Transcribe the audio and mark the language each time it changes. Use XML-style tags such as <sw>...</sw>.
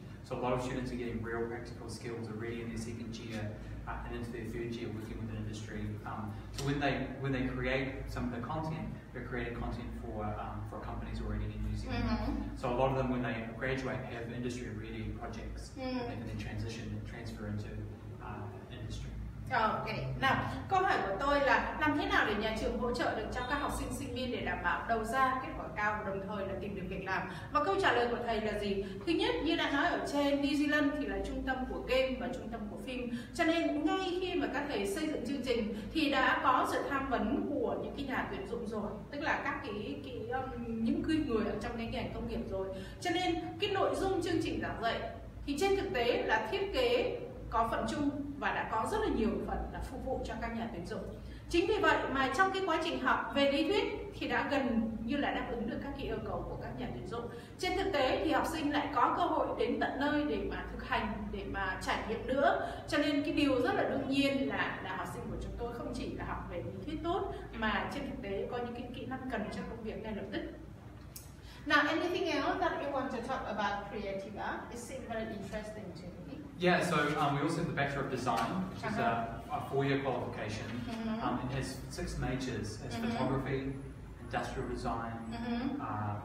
<en>So a lot of students are getting real practical skills already in their second year and into their third year working with an industry. So when they create some of the content, they're creating content for companies already in New Zealand. Mm-hmm. So a lot of them, when they graduate, have industry ready projects mm-hmm. and then transfer into industry.</en> <vi>Ok, nào, câu hỏi của tôi là làm thế nào để nhà trường hỗ trợ được cho các học sinh sinh viên để đảm bảo đầu ra kết quả cao và đồng thời là tìm được việc làm? Và câu trả lời của thầy là gì? Thứ nhất, như đã nói ở trên, New Zealand thì là trung tâm của game và trung tâm của phim. Cho nên ngay khi mà các thầy xây dựng chương trình thì đã có sự tham vấn của những cái nhà tuyển dụng rồi, tức là các những người ở trong cái ngành công nghiệp rồi. Cho nên cái nội dung chương trình giảng dạy thì trên thực tế là thiết kế có phần chung và đã có rất là nhiều phần là phục vụ cho các nhà tuyển dụng. Chính vì vậy mà trong cái quá trình học về lý thuyết thì đã gần như là đáp ứng được các cái yêu cầu của các nhà tuyển dụng. Trên thực tế thì học sinh lại có cơ hội đến tận nơi để mà thực hành, để mà trải nghiệm nữa. Cho nên cái điều rất là đương nhiên là học sinh của chúng tôi không chỉ là học về lý thuyết tốt mà trên thực tế có những cái kỹ năng cần cho công việc ngay lập tức.</vi> <en>Now, anything else that you want to talk about creative art? It seems very interesting to me. Yeah, so we also have the Bachelor of Design, which uh-huh. is a four-year qualification. Mm-hmm. It has six majors. It's mm-hmm. photography, industrial design, mm-hmm.</en>